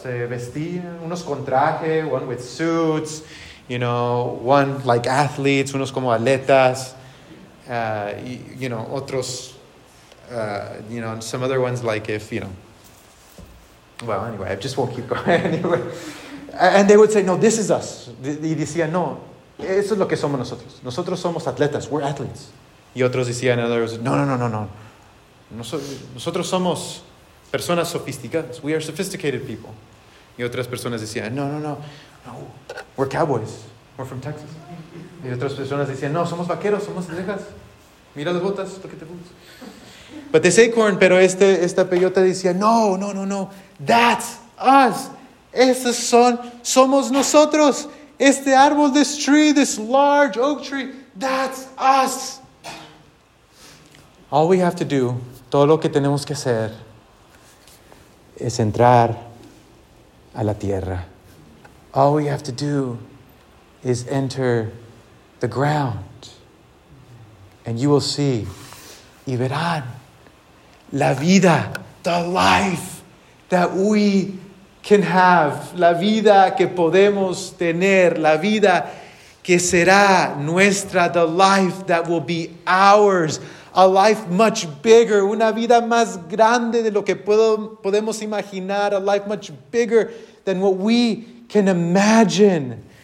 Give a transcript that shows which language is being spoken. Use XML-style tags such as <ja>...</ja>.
<es>Se vestían unos con traje,</es> <en>one with suits. You know, one like athletes,</en> <es>unos como atletas, otros,</es> <en>some other ones like if, you know, well, anyway, I just won't keep going anyway. And they would say, "No, this is us."</en> <es>Y decían, "No, eso es lo que somos nosotros. Nosotros somos atletas,</es> <en>we're athletes."</en> <es>Y otros decían,</es> <en>and others,</en> <es>no. Nosotros somos personas sofisticadas.</es> <en>We are sophisticated people.</en> <es>Y otras personas decían, no,</es> <en>we're cowboys. We're from Texas.</en> <es>Y otras personas decían, no, somos vaqueros, somos de Texas. Mira las botas, ¿por qué te pones?</es> <en>But this acorn,</en> <es>pero esta peyota decía, no,</es> <en>that's us.</en> <es>Esos somos nosotros. Este árbol,</es> <en>this tree, this large oak tree, that's us. All we have to do,</en> <es>todo lo que tenemos que hacer, es entrar a la tierra.</es> <en>All we have to do is enter the ground, and you will see,</en> <es>y verán, la vida,</es> <en>the life that we can have,</en> <es>la vida que podemos tener, la vida que será nuestra,</es> <en>the life that will be ours, a life much bigger,</en> <es>una vida más grande de lo que podemos imaginar,</es> <en>a life much bigger than what we can imagine.</en>